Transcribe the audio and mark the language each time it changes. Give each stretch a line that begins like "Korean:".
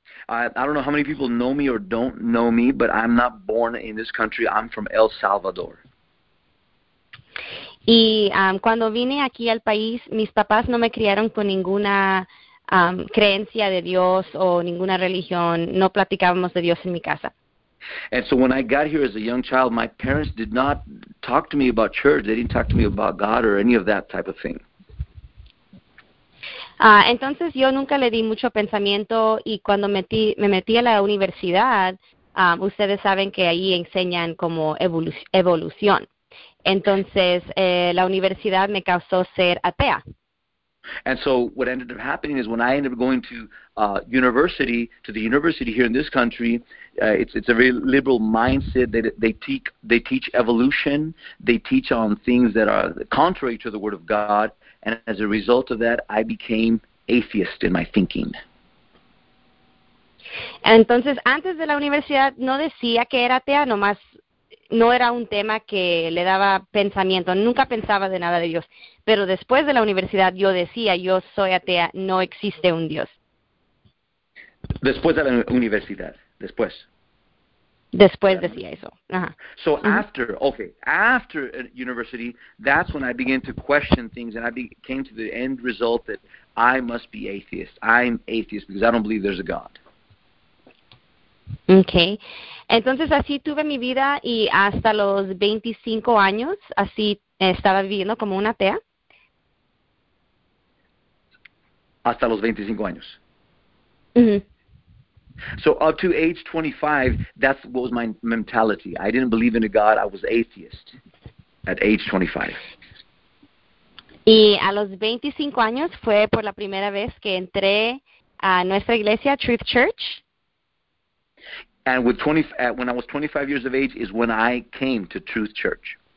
English: I don't know how many people know me or don't know me, but I'm not born in this country. I'm from El Salvador.
Spanish: Y cuando vine aquí al país, mis papás no me criaron con ninguna creencia de Dios o ninguna religión. No platicábamos de Dios en mi casa.
English: And so when I got here as a young child, my parents did not talk to me about church. They didn't talk to me about God or any of that type of thing.
Spanish: Entonces yo nunca le di mucho pensamiento y cuando me metí a la universidad, ustedes saben que ahí enseñan como evolución. Entonces la universidad me causó ser atea.
English: And so what ended up happening is when I ended up going to university, to the university here in this country, it's a very liberal mindset that they teach evolution, they teach on things that are contrary to the word of God, and as a result of that, I became atheist in my thinking.
Spanish: Entonces, antes de la universidad, no decía que era atea, nomás no era un tema que le daba pensamiento, nunca pensaba de nada de Dios. Pero después de la universidad, yo decía, yo soy atea, no existe un Dios. Después de la universidad, después. Después decía eso. Ajá.
English: So after university, that's when I began to question things and I came to the end result that I must be atheist. I'm atheist because I don't believe there's a God. Okay.
Spanish: Entonces así tuve mi vida y hasta los 25 años así estaba viviendo como una atea. Hasta los 25 años. Mm-hmm.
English: So up to age 25, that's what was my mentality. I didn't believe in a God. I was atheist at age 25.
Spanish: Y a los 25 años fue por la primera vez que entré a nuestra iglesia, Truth Church.
English: And when I was 25 years of age is when I came to Truth Church.